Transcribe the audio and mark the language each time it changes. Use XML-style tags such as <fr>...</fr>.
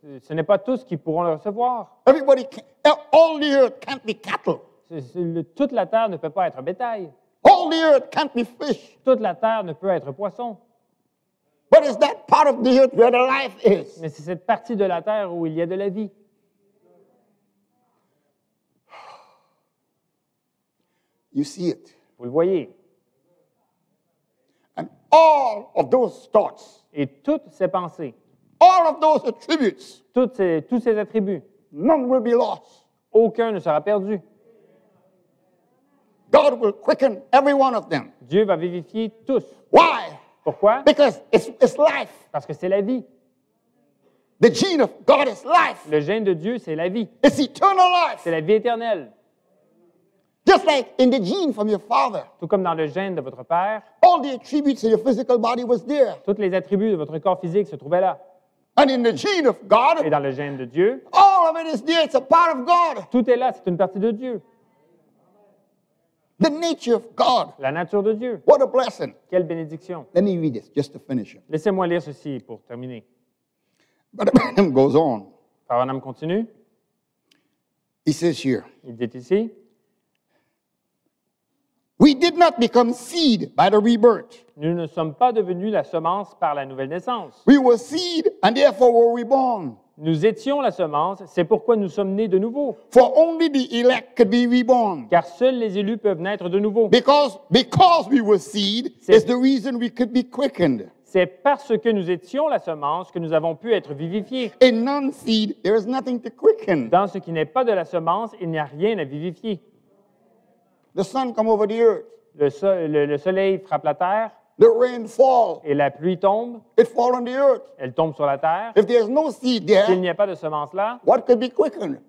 <fr>Ce n'est pas tous qui pourront le recevoir.</fr> <en>Everybody can't. All the earth can't be cattle.</en> <fr>Toute la terre ne peut pas être bétail.</fr> <en>All the earth can't be fish.</en> <fr>Toute la terre ne peut être poisson.</fr> <en>But is that part of the earth where the life is?</en> <fr>Mais c'est cette partie de la terre où il y a de la vie.</fr> <en>You see it.</en> <fr>Vous le voyez.</fr> <en>And all of those thoughts.</en> <fr>Et toutes ces pensées.</fr> <en>All of those attributes.</en> <fr>Tous ces attributs.</fr> <en>None will be lost.</en> <fr>Aucun ne sera perdu.</fr> <en>God will quicken every one of them.</en> <fr>Dieu va vivifier tous.</fr> <en>Why?</en> <fr>Pourquoi?</fr> <en>Because it's life.</en> <fr>Parce que c'est la vie.</fr> <en>The gene of God is life.</en> <fr>Le gène de Dieu, c'est la vie.</fr> <en>It's eternal life.</en> <fr>C'est la vie éternelle.</fr> <en>Just like in the gene from your father.</en> <fr>Tout comme dans le gène de votre père.</fr> <en>All the attributes of your physical body was there.</en> <fr>Toutes les attributs de votre corps physique se trouvaient là.</fr> <en>And in the gene of God.</en> <fr>Et dans le gène de Dieu.</fr> <en>All of it is there. It's a part of God.</en> <fr>Tout est là. C'est une partie de Dieu.</fr> <en>The nature of God.</en> <fr>La nature de Dieu.</fr> <en>What a blessing.</en> <fr>Quelle bénédiction.</fr> <en>Let me read this just to finish.</en> <fr>Laissez-moi lire ceci pour terminer.</fr> <en>But Abraham goes on.</en> <fr>Abraham continue.</fr> <en>He says here.</en> <fr>Il dit ici.</fr> <en>We did not become seed by the rebirth.</en> <fr>Nous ne sommes pas devenus la semence par la nouvelle naissance.</fr> <en>We were seed and therefore were reborn.</en> <fr>Nous étions la semence, c'est pourquoi nous sommes nés de nouveau.</fr> <en>For only the elect could be reborn.</en> <fr>Car seuls les élus peuvent naître de nouveau.</fr> <en>Because we were seed, is the reason we could be quickened.</en> <fr>C'est parce que nous étions la semence que nous avons pu être vivifiés.</fr> <en>In non-seed, there is nothing to quicken.</en> <fr>Dans ce qui n'est pas de la semence, il n'y a rien à vivifier.</fr> <en>The sun come over the earth.</en> <fr>Le soleil frappe la terre.</fr> <en>The rain fall.</en> <fr>Et la pluie tombe.</fr> <en>It fall on the earth.</en> <fr>Elle tombe sur la terre.</fr> <en>If there is no seed there,</en> <fr>s'il n'y a pas de semence là,</fr> <en>what could be quickened?</en>